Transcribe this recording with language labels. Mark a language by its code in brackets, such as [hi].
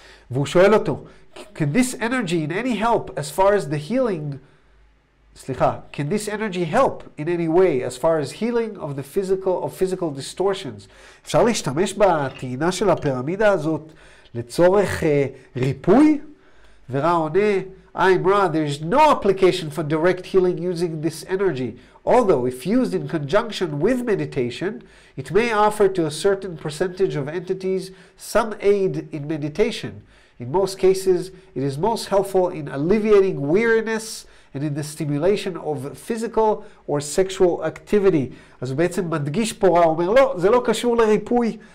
[he] והוא שואל אותו, [en] can this energy in any help as far as the healing, [he] סליחה, [en] can this energy help in any way as far as healing of the physical of physical distortions? [he] אפשר להשתמש בתאינה של הפירמידה הזאת לצורך ריפוי? ורא עונה, [en] I'm Ra, there's no application for direct healing using this energy. Although, if used in conjunction with meditation, it may offer to a certain percentage of entities some aid in meditation. In most cases, it is most helpful in alleviating weariness and in the stimulation of physical or sexual activity. [he] אז הוא בעצם מדגיש פה, הוא אומר, לא, זה לא קשור לריפוי.